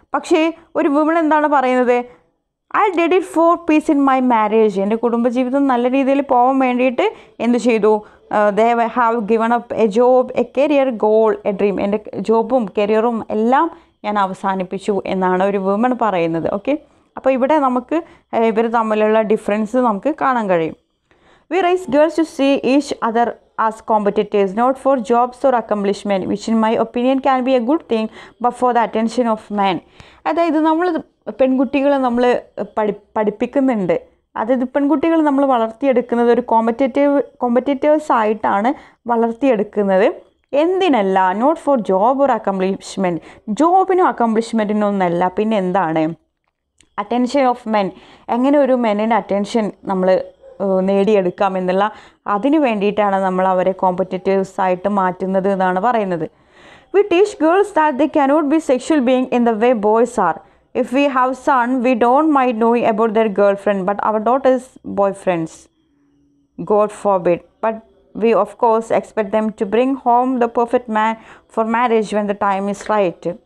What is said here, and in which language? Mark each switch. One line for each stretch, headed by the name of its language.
Malayalam: പക്ഷേ ഒരു വുമൺ എന്താണ് പറയുന്നത്,
English: I did it for peace in my marriage,
Malayalam: എൻ്റെ കുടുംബജീവിതം നല്ല രീതിയിൽ പോകാൻ വേണ്ടിയിട്ട് എന്ത് ചെയ്തു,
English: they have given up a job, a career goal, a dream,
Malayalam: എൻ്റെ ജോബും കരിയറും എല്ലാം ഞാൻ അവസാനിപ്പിച്ചു എന്നാണ് ഒരു വുമൺ പറയുന്നത്. ഓക്കെ, അപ്പോൾ ഇവിടെ നമുക്ക് ഇവർ തമ്മിലുള്ള ഡിഫറൻസ് നമുക്ക് കാണാൻ കഴിയും.
English: We raise girls to see each other as competitors, not for jobs or accomplishment, which in my opinion can be a good thing, but for the attention of men.
Malayalam: അതായത് നമ്മൾ പെൺകുട്ടികളെ നമ്മൾ പഠിപ്പിക്കുന്നുണ്ട്. അതായത് പെൺകുട്ടികളെ നമ്മൾ വളർത്തിയെടുക്കുന്നത് ഒരു കോമ്പറ്റേറ്റീവ്സ് ആയിട്ടാണ് വളർത്തിയെടുക്കുന്നത്. എന്തിനല്ല?
English: Not for job or accomplishment.
Malayalam: ജോബിനും അക്കംപ്ലിഷ്മെൻറ്റിനും ഒന്നല്ല. പിന്നെ എന്താണ്
English: Attention of men?
Malayalam: എങ്ങനെ ഒരു മെന്നിൻ്റെ അറ്റൻഷൻ നമ്മൾ നേടിയെടുക്കാം എന്നുള്ള അതിന് വേണ്ടിയിട്ടാണ് നമ്മൾ അവരെ കോമ്പറ്റേറ്റീവ്സ് ആയിട്ട് മാറ്റുന്നത് എന്നാണ് പറയുന്നത്.
English: We teach girls that they cannot be sexual being in the way boys are. If we have son, we don't mind knowing about their girlfriend, but our daughter's boyfriends, God forbid. But we of course expect them to bring home the perfect man for marriage when the time is right.